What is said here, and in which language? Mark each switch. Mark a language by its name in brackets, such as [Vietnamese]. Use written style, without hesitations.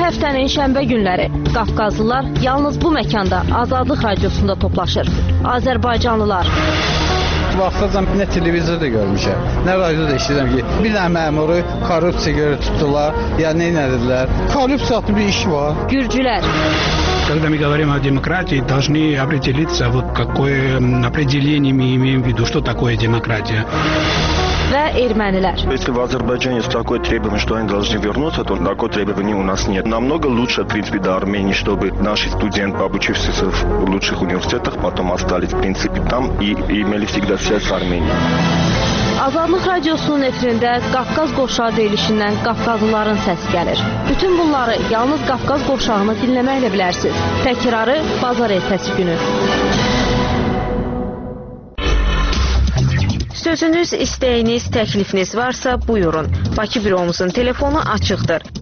[Azerbaijani] həftənin şənbə günləri Qafqazlılar yalnız bu məkanda Azadlıq radiosunda toplaşır. Azərbaycanlılar. Baxırsam, nə televizor da görmüşəm, nə radio da işləyirəm ki, bir dənə məmuru korrupsiya görə tutdular, ya nə edirlər? Korrupsiya adlı bir iş var. Gürcülər. [Russian] Когда мы говорим о демократии, должны определиться, вот какое определение мы имеем в виду, что такое демократия. [Azerbaijani] Ve ermeniler. [Russian] Если в Азербайджане есть такое требование, что они должны вернуться, то такое требование у нас нет. Намного лучше, в принципе, до Армении, чтобы наши студенты, обучившиеся в лучших университетах, потом остались, в принципе, там и имели всегда связь с Арменией. [Azerbaijani] Azadlıq radiosunun efirində Qafqaz qoşağı deyilişindən Qafqazlıların səsi gəlir. Bütün bunları yalnız Qafqaz qoşağını dinləməklə bilərsiniz. Təkrarı bazar ertəsi günü. Sözünüz, istəyiniz, təklifiniz varsa buyurun. Bakı büromuzun telefonu açıqdır.